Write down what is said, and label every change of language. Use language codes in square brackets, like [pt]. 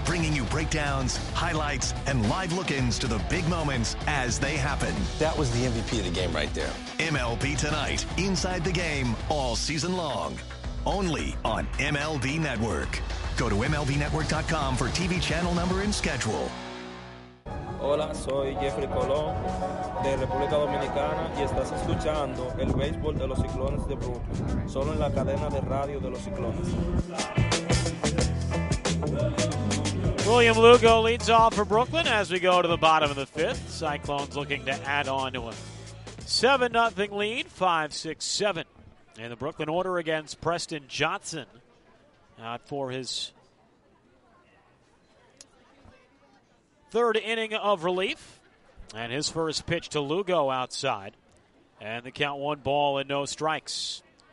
[en] Bringing you breakdowns, highlights, and live look-ins to the big moments as they happen. That was the MVP of the game right there. MLB Tonight. Inside the game all season long. Only on MLB Network. Go to MLBnetwork.com for TV channel number and schedule. [es] Hola, soy Jeffrey Colón de República Dominicana y estás escuchando el béisbol de los Ciclones de Brooklyn, solo en la cadena de radio de los Ciclones. [en] William Lugo leads off for Brooklyn as we go to the bottom of the fifth. Cyclones looking to add on to a 7-0 lead, 5-6-7. And the Brooklyn order against Preston Johnson out for his third inning of relief, and his first pitch to Lugo outside, and the count 1-0.